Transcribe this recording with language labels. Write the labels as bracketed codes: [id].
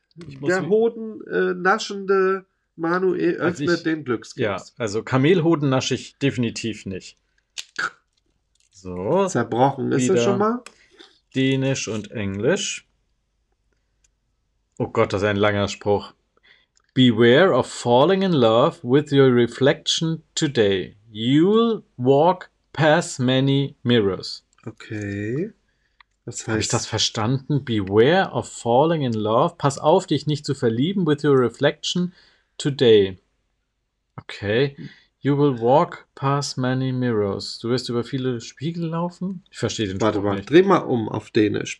[de] Der Hoden naschende Manuel öffnet den Glückskeks. Ja, also Kamelhoden nasche ich definitiv nicht. So. Zerbrochen ist er schon mal. Dänisch und Englisch. Oh Gott, das ist ein langer Spruch. [en] Beware of falling in love with your reflection today. You'll walk past many mirrors. Okay. [de] Das heißt, habe ich das verstanden? [en] Beware of falling in love. [de] Pass auf, dich nicht zu verlieben [en] with your reflection today. Okay. You will walk past many mirrors. [de] Du wirst über viele Spiegel laufen? Ich verstehe den Spruch nicht. Warte mal, dreh mal um auf Dänisch.